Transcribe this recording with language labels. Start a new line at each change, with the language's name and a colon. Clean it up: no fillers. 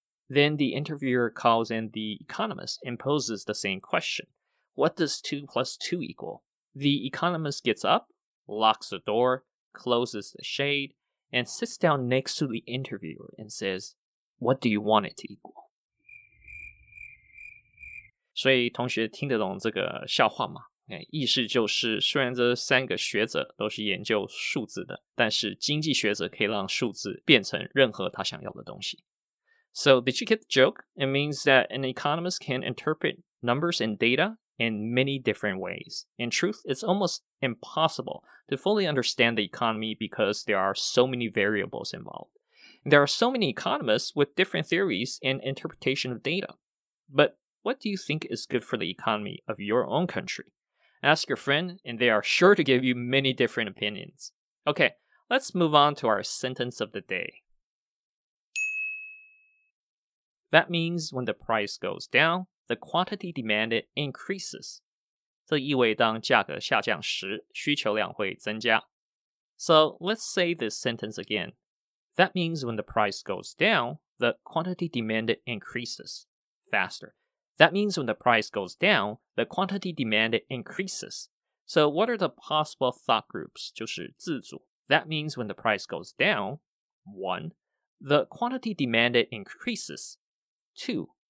English: Then the interviewer calls in the economist and poses the same question. What does 2 plus 2 equal? The economist gets up, locks the door, closes the shade, and sits down next to the interviewer and says, what do you want it to equal?
Chinese: 所以同学听得懂这个笑话吗？Okay, 意思就是虽然这三个学者都是研究数字的，但是经济学者可以让数字变成任何他想要的东西。
English: So did you get the joke? It means that an economist can interpret numbers and data in many different ways. In truth, it's almost impossible to fully understand the economy because there are so many variables involved. There are so many economists with different theories and interpretation of data. ButWhat do you think is good for the economy of your own country? Ask your friend, and they are sure to give you many different opinions. Okay, let's move on to our sentence of the day. That means when the price goes down, the quantity demanded increases.
Chinese: 这意味当价格下降时，需求量会增加。
English: So let's say this sentence again. That means when the price goes down, the quantity demanded increases faster. That means when the price goes down, the quantity demanded increases. So what are the possible thought groups?
Chinese: 就是字组。
English: That means when the price goes down, 1. The quantity demanded increases. 2.